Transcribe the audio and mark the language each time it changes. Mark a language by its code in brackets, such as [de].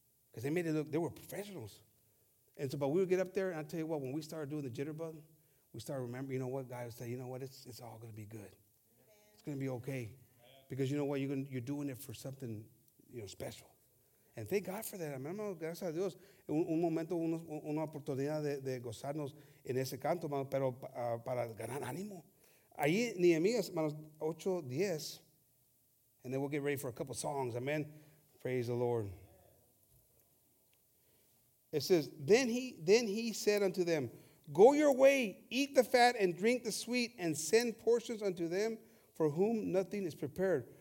[en] Because they made it look, they were professionals. And so, but we would get up there, and I'll tell you what, when we started doing the jitterbug, we started remembering, you know what, God said, you know what, it's all going to be good. Amen. It's going to be okay. Because you know what, you're doing it for something, you know, special. And thank God for that. Amen. [es] Gracias a Dios. Un momento, una oportunidad de gozarnos en ese canto, hermano, pero para ganar ánimo. Ahí, Nehemías, hermanos, 8:10. [en] And then we'll get ready for a couple songs. Amen. Praise the Lord. It says, then he said unto them, Go your way, eat the fat and drink the sweet, and send portions unto them for whom nothing is prepared.